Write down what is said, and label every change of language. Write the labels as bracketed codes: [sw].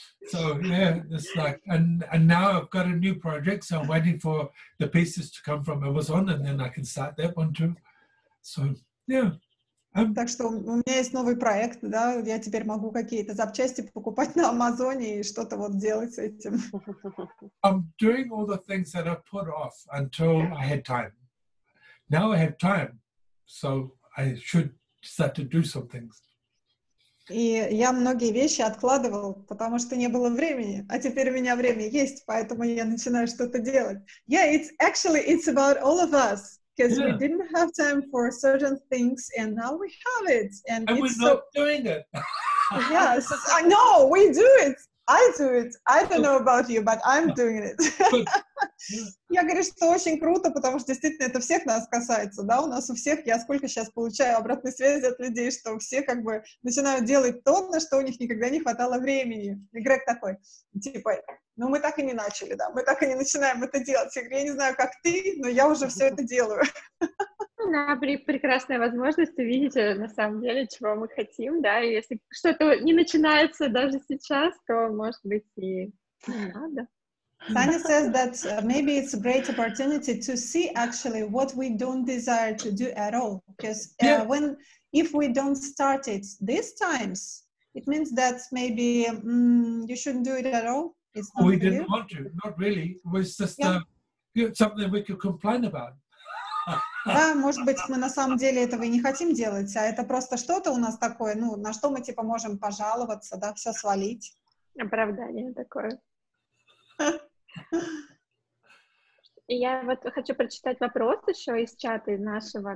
[en] So, yeah, it's like, and now I've got a new project, so I'm waiting for the pieces to come from Amazon, and then I can start that one too. So, yeah. [ru] Так что у меня есть новый проект, да, я теперь могу какие-то запчасти покупать на Амазоне и что-то вот делать с этим. [en] I'm doing all the things that I put off until I had time. Now I have time, so I should start to do some things. [ru] И я многие вещи откладывал, потому что не было времени, а теперь у меня время есть, поэтому я начинаю что-то делать. [en] Yeah, it's about all of us. Because we didn't have time for certain things, and now we have it, and we're not doing it. Yes, I know. We do it. I do it. I don't know about you, but I'm doing it. [ru] Я говорю, что очень круто, потому что действительно это всех нас касается, да? У нас у всех, я сколько сейчас получаю обратной связи от людей, что все как бы начинают делать то, на что у них никогда не хватало времени. И Грег такой, типа, ну мы так и не начали, да? Мы так и не начинаем это делать. Я говорю, я не знаю, как ты, но я уже все это делаю. Да, прекрасная возможность увидеть на самом деле, чего мы хотим, да? И если что-то не начинается даже сейчас, то, может быть, и не надо. [en] Tanya says that maybe it's a great opportunity to see actually what we don't desire to do at all. Because if we don't start it these times, it means that maybe you shouldn't do it at all. It's not we didn't want to, not really. It was just something we could complain about. [ru] Да, может быть, мы на самом деле этого и не хотим делать, а это просто что-то у нас такое, ну, на что мы типа можем пожаловаться, да, все свалить. Оправдание такое. Я вот хочу прочитать вопрос еще из чата нашего.